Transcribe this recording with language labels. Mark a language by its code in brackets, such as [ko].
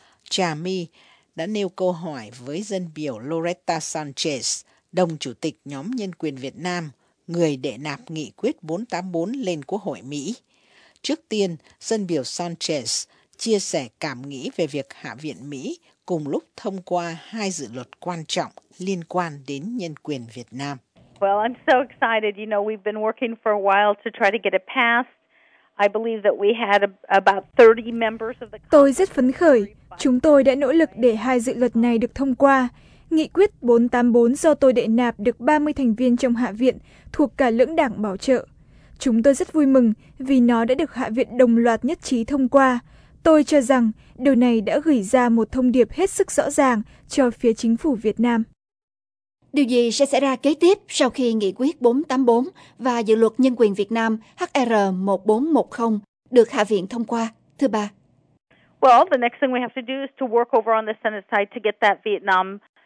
[vi] Trà My đã nêu câu hỏi với dân biểu Loretta Sanchez, đồng chủ tịch nhóm nhân quyền Việt Nam, người đệ nạp nghị quyết 484 lên Quốc hội Mỹ. Trước tiên, dân biểu Sanchez chia sẻ cảm nghĩ về việc Hạ viện Mỹ cùng lúc thông qua hai dự luật quan trọng liên quan đến nhân quyền Việt Nam. [en] Well, I'm so excited. You know, we've been working for a while to try to get it passed. I believe that we had about 30 members of the. [vi] Tôi rất phấn khởi. Chúng tôi đã nỗ lực để hai dự luật này được thông qua. Nghị quyết 484 do tôi đệ nạp được 30 thành viên trong Hạ viện thuộc cả lưỡng đảng bảo trợ. Chúng tôi rất vui mừng vì nó đã được Hạ viện đồng loạt nhất trí thông qua. Tôi cho rằng điều này đã gửi ra một thông điệp hết sức rõ ràng cho phía chính phủ Việt Nam. Điều gì sẽ xảy ra kế tiếp sau khi nghị quyết 484 và dự luật nhân quyền Việt Nam HR1410 được Hạ viện thông qua, thưa bà? [en] Well, the next thing we have to do is to work over on the Senate side to get that Vietnam